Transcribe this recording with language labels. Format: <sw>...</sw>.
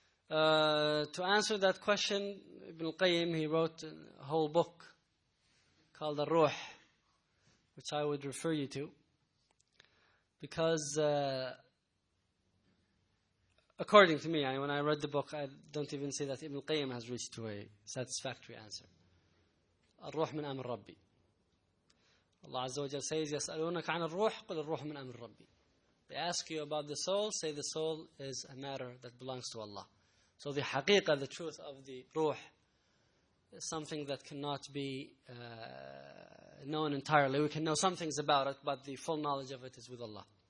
<en>To answer that question, Ibn al-Qayyim, he wrote a whole book called Ar-Ruh, which I would refer you to, because according to me, when I read the book, I don't even say that Ibn al-Qayyim has reached to a satisfactory answer.</en> <ar>Ar-Ruh min amr Rabbi.</ar> <en>Allah Azza wa Jalla says,</en> <ar>يَسْأَلُونَكَ عَنَ الرُّوحِ قُلَ الرُّوحُ مِنْ أَمْرِ الرَّبِّ.</ar> <en>They ask you about the soul, say the soul is a matter that belongs to Allah. So the haqiqah, the truth of the ruh, is something that cannot be known entirely. We can know some things about it, but the full knowledge of it is with Allah.</en>